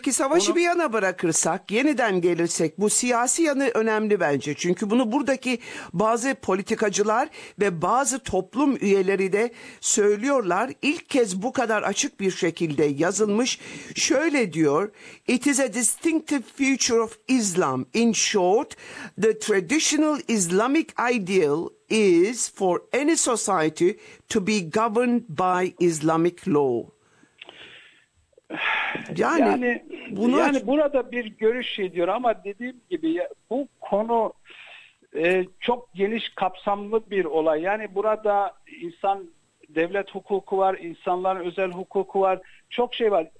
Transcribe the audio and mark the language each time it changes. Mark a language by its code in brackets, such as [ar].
[tr] Peki savaşı bir yana bırakırsak, yeniden gelirsek, bu siyasi yanı önemli bence. Çünkü bunu buradaki bazı politikacılar ve bazı toplum üyeleri de söylüyorlar. İlk kez bu kadar açık bir şekilde yazılmış. Şöyle diyor: [en] "It is a distinctive feature of Islam. In short, the traditional Islamic ideal is for any society to be governed by Islamic law." [tr] Yani burada bir görüş ediyor ama dediğim gibi ya, bu konu çok geniş kapsamlı bir olay. Yani burada insan devlet hukuku var, insanların özel hukuku var, çok şey var.